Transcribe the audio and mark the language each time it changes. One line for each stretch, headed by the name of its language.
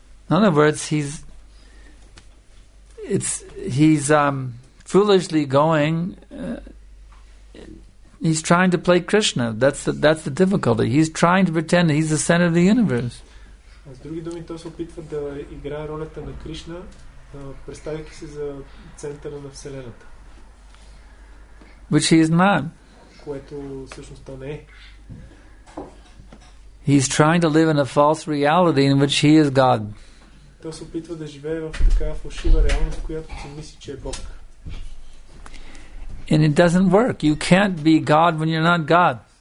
English: In other words, he's foolishly going. He's trying to play Krishna. That's the difficulty. He's trying to pretend that he's the center of the universe.
Bulgarian: С други думи, той се опитва да играе ролята на Кришна, представяйки се за центъра на вселената.
English: Which he is not.
Bulgarian: Което всъщност то не е.
English: He's trying to live in a false reality in which he is God.
Bulgarian: Той се опитва да живее в такава фалшива реалност, в която си мисли, че е Бог.
English: And it doesn't work. You can't be God when you're not God.